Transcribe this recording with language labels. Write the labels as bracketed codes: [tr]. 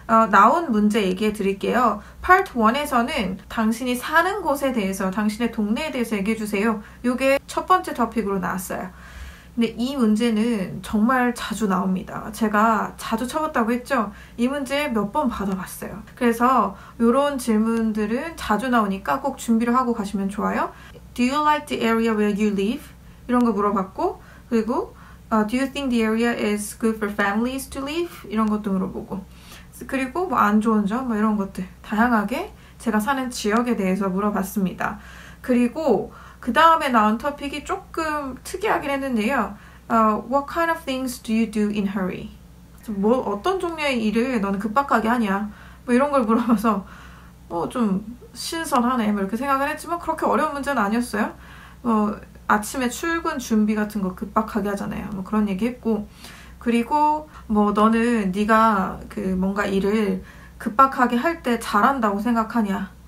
[ko] 나온 문제 얘기해 드릴게요. Part 1에서는 당신이 사는 곳에 대해서, 당신의 동네에 대해서 얘기해 주세요. 이게 첫 번째 토픽으로 나왔어요. 근데 이 문제는 정말 자주 나옵니다. 제가 자주 쳐봤다고 했죠? 이 문제 몇 번 받아봤어요. 그래서 이런 질문들은 자주 나오니까 꼭 준비를 하고 가시면 좋아요. [en] Do you like the area where you live? [ko] 이런 거 물어봤고, 그리고 [en] Do you think the area is good for families to live? [ko] 이런 것도 물어보고, 그리고 뭐 안 좋은 점 뭐 이런 것들 다양하게 제가 사는 지역에 대해서 물어봤습니다. 그리고 그 다음에 나온 토픽이 조금 특이하긴 했는데요. [en] What kind of things do you do in hurry? [ko] 뭐 어떤 종류의 일을 너는 급박하게 하냐? 뭐 이런 걸 물어봐서 뭐 좀 신선하네 뭐 이렇게 생각을 했지만 그렇게 어려운 문제는 아니었어요. 뭐 아침에 출근 준비 같은 거 급박하게 하잖아요. 뭐 그런 얘기 했고, 그리고 뭐 너는 네가 그 뭔가 일을 급박하게 할 때 잘한다고 생각하냐?